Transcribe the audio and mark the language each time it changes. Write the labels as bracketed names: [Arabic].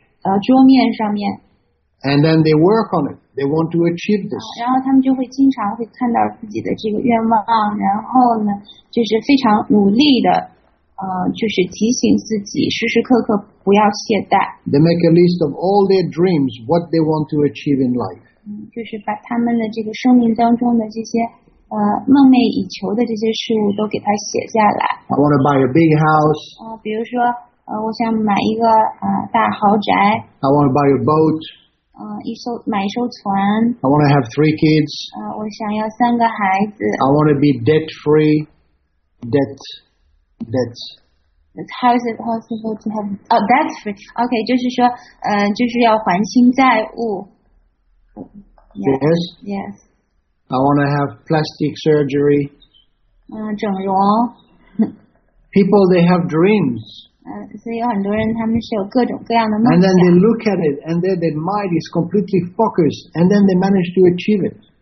[Chinese] 所以呢，然后他们就会把这张纸呢，给它这个贴到冰箱上面，或者是它举目可及的墙面，或者是桌面上面。 And [English] then they work on it. They want to achieve this. [Chinese] 然后他们就会经常会看到自己的这个愿望，然后呢，就是非常努力的。就是提醒自己时时刻刻不要懈怠。 They [English] make a list of all their dreams, what they want to achieve in life. [Chinese] 就是把他们的这个生命当中的这些梦寐以求的这些事物都给他写下来。 I [English] want to buy a big house. [Chinese] 比如说，我想买一个大豪宅。 I [English] want to buy a boat. [Chinese] 买一艘船。 I [English] want to have three kids. [Chinese] 我想要三个孩子。 I [English] want to be debt-free. Debts. How is it possible to have? Oh, that's free. Okay, 就是说，就是要还清债务。 Yes. Yes. I want to have plastic surgery. [Chinese] 整容。 [English] People, they have dreams. [Chinese] 所以很多人他们是有各种各样的梦想。 [English] And then they look at it, and then their mind is completely focused, and then they manage to achieve it.